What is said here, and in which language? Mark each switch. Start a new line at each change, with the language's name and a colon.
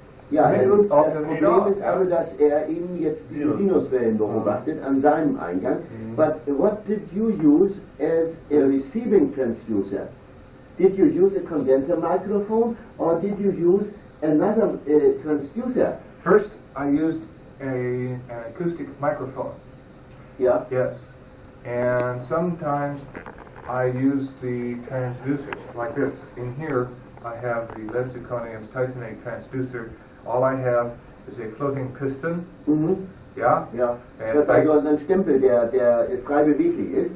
German: Ja, das Problem ist aber, dass er eben jetzt die Sinuswellen beobachtet an seinem Eingang.
English: But what did you use as a receiving transducer? Did you use a condenser microphone or did you use another transducer? First, I used an acoustic microphone. Yeah. Yes. And sometimes I use the transducer like this. In here, I have the lead zirconium titanate transducer. All I have is a floating piston. Mm-hmm. Yeah. Yeah.
German: Das ist also ein Stempel, der frei beweglich ist.